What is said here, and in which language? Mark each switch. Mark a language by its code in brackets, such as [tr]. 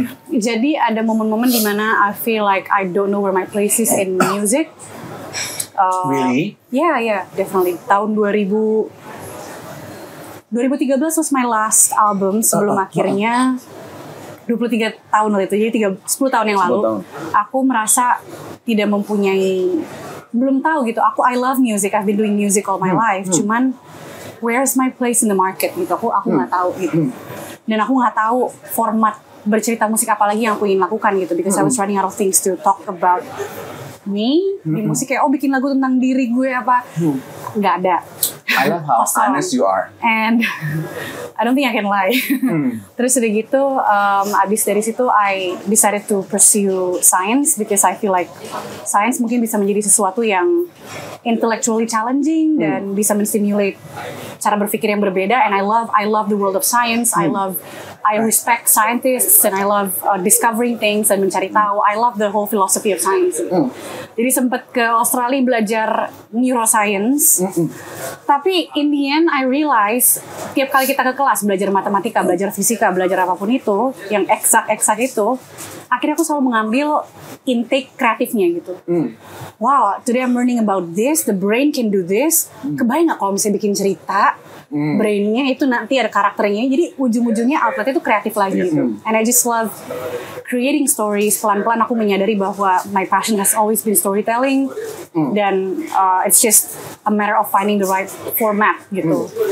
[id] Jadi ada momen-momen di mana [en] I feel like I don't know where my place is in music. Really? Yeah, definitely. [id] Tahun 2013 [en] was my last album [id] sebelum akhirnya 23 tahun lalu itu. Jadi 10 tahun yang lalu. Aku merasa tidak mempunyai, belum tahu gitu. [en] Aku I love music. I've been doing music all my life. Cuman where's my place in the market gitu. [id] Aku nggak tahu gitu. Dan aku nggak tahu format bercerita musik apalagi yang aku ingin lakukan gitu. [en] Because I was running out of things to talk about me [id] di musik, kayak bikin lagu tentang diri gue apa. Nggak ada. [en] I love how honest you are. And I don't think I can lie. [id] Terus udah gitu, abis dari situ [en] I decided to pursue science because I feel like science [id] mungkin bisa menjadi sesuatu yang [en] intellectually challenging [id] dan bisa menstimulate cara berpikir yang berbeda. [en] And I love the world of science. I respect scientists and I love discovering things and [id] mencari tahu. [en] I love the whole philosophy of science. [id] Jadi sempat ke Australia belajar neuroscience. Tapi [en] in the end I realize [id] tiap kali kita ke kelas belajar matematika, belajar fisika, belajar apapun itu yang eksak-eksak itu, akhirnya aku selalu mengambil intake kreatifnya gitu. [en] Wow, today I'm learning about this, the brain can do this. [id] Kebayang gak kalau misalnya bikin cerita, brainnya itu nanti ada karakternya, jadi ujung-ujungnya outletnya itu kreatif lagi gitu. [en] And I just love creating stories. [id] Pelan-pelan aku menyadari bahwa [en] my passion has always been storytelling. Dan it's just a matter of finding the right format gitu.